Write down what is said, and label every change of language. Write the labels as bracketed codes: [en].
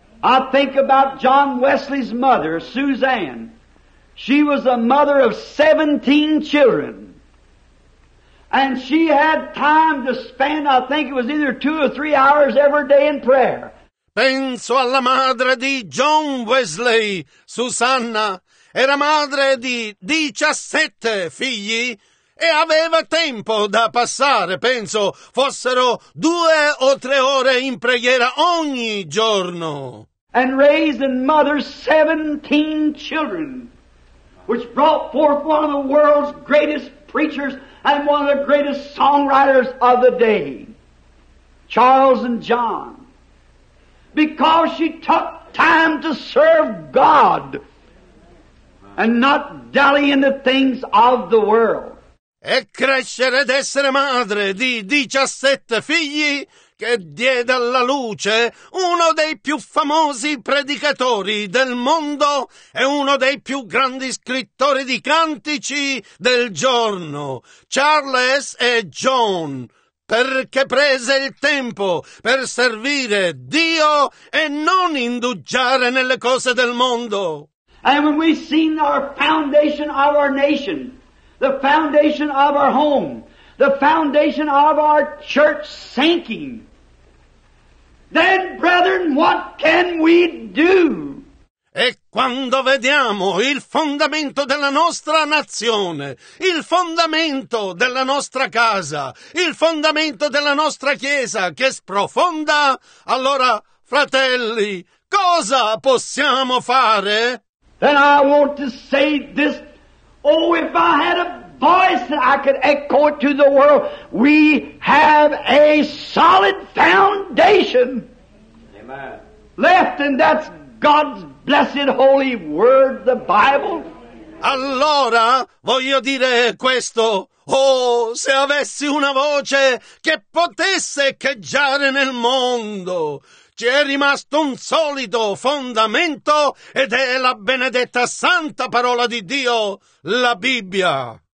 [en] I think about John Wesley's mother, Suzanne. She was a mother of 17 children. And she had time to spend, I think it was either 2 or 3 hours every day in prayer. [it] Penso alla madre di John Wesley, Susanna. Era madre di 17 figli e aveva tempo da passare. Penso fossero 2 o 3 ore in preghiera ogni giorno. [en] And raised and mothered 17 children. Which brought forth one of the world's greatest preachers and one of the greatest songwriters of the day. Charles and John, because she took time to serve God and not dally in the things of the world. [it] E crescere ed essere madre di 17 figli che diede alla luce uno dei più famosi predicatori del mondo e uno dei più grandi scrittori di cantici del giorno, Charles e John, perché prese il tempo per servire Dio e non indugiare nelle cose del mondo. [en] And when we see our foundation of our nation, the foundation of our home, the foundation of our church sinking, then, brethren, what can we do? [it] E quando vediamo il fondamento della nostra nazione, il fondamento della nostra casa, il fondamento della nostra chiesa che sprofonda, allora, fratelli, cosa possiamo fare? [en] Then I want to say this. Oh, if I had a voice that I could echo it to the world, we have a solid foundation. Amen. Left, and that's God's blessed holy word, the Bible. [it] Allora, voglio dire questo. Oh, se avessi una voce che potesse echeggiare nel mondo, ci è rimasto un solido fondamento ed è la benedetta santa parola di Dio, la Bibbia.